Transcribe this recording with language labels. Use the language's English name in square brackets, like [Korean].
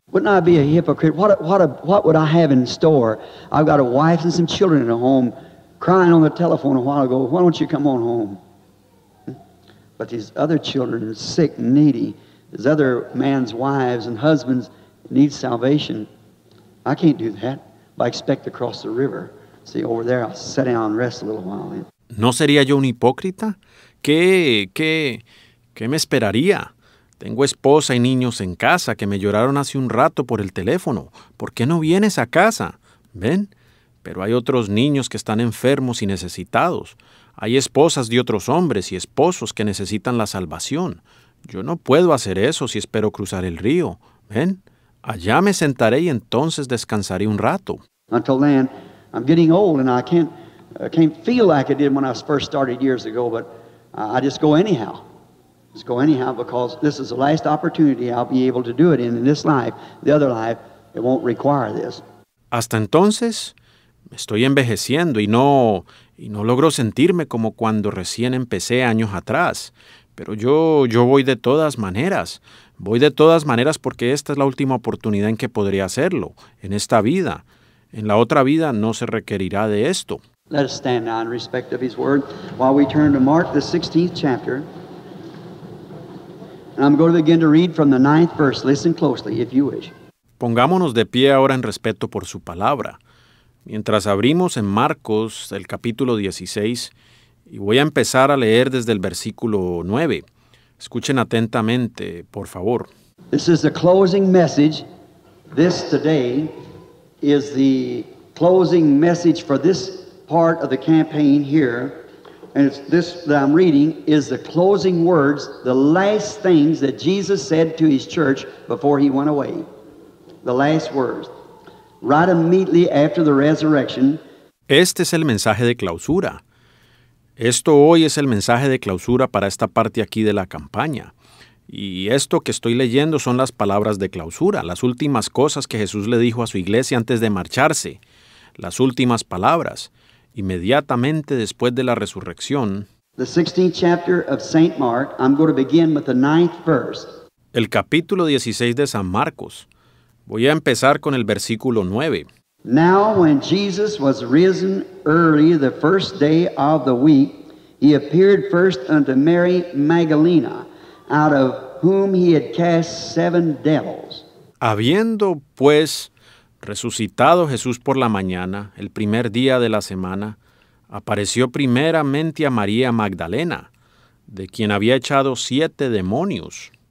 [English] Wouldn't I be a hypocrite? What would I have in store? I've got a wife and some children at home, crying on the telephone a while ago. Why don't you come on home? But these other children are sick and needy. These other man's wives and husbands need salvation. I can't do that. But I expect to cross the river. See, over there, I'll sit down and rest a little while. [Spanish] ¿No sería yo un hipócrita? ¿Qué me esperaría? Tengo esposa y niños en casa que me lloraron hace un rato por el teléfono. ¿Por qué no vienes a casa? ¿Ven? Pero hay otros niños que están enfermos y necesitados. Hay esposas de otros hombres y esposos que necesitan la salvación. Yo no puedo hacer eso si espero cruzar el río. ¿Ven? Allá me sentaré y entonces descansaré un rato. [English] Until then, I'm getting old and I can't feel like I did when I first started years ago, but I just go anyhow. Just go anyhow because this is the last opportunity I'll be able to do it in this life. The other life, it won't require this. [Spanish] Hasta entonces, me estoy envejeciendo y no logro sentirme como cuando recién empecé años atrás. Pero yo voy de todas maneras. Voy de todas maneras porque esta es la última oportunidad en que podría hacerlo, en esta vida. En la otra vida no se requerirá de esto. [English] Let us stand now in respect of His word while we turn to Mark, the 16th chapter. And I'm going to begin to read from the 9th verse. Listen closely, if you wish. [Spanish] Pongámonos de pie ahora en respeto por su palabra. Mientras abrimos en Marcos, el capítulo 16, y voy a empezar a leer desde el versículo 9. Escuchen atentamente, por favor. [English] This is the closing message. This today is the closing message for this part of the campaign here. And it's this that I'm reading is the closing words, the last things that Jesus said to His church before He went away. The last words. Right immediately after the resurrection. [Spanish] Este es el mensaje de clausura. Esto hoy es el mensaje de clausura para esta parte aquí de la campaña. Y esto que estoy leyendo son las palabras de clausura, las últimas cosas que Jesús le dijo a su iglesia antes de marcharse. Las últimas palabras. Inmediatamente después de la resurrección. [English] The 16th chapter of St. Mark. I'm going to begin with the 9th verse. [Spanish] El capítulo 16 de San Marcos. Voy a empezar con el versículo 9. [English] Now when Jesus was risen early the first day of the week, He appeared first unto Mary Magdalena, out of whom He had cast 7 devils. [Spanish] Habiendo, pues, resucitado Jesús por la mañana, el primer día de la semana, apareció primeramente a María Magdalena, de quien había echado 7 demonios.